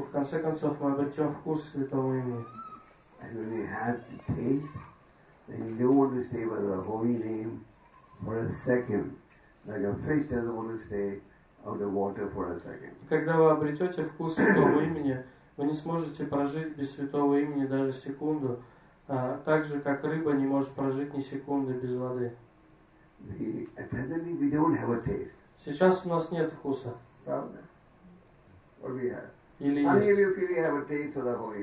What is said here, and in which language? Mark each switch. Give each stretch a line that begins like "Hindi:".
Russian: В конце концов мы обретем вкус святого имени.
English: And when you have the taste, then you don't want to stay by the holy name. For a second, like a fish doesn't want to stay out of the water for a second.
Russian: Когда вы обретете вкус святого имени, вы не сможете прожить без святого имени даже секунду, так же как рыба не может прожить ни секунды без воды.
English: Presently, we don't have a taste.
Russian: Сейчас у нас нет вкуса. Или есть?
English: How many of you feel you have a taste for the holy name?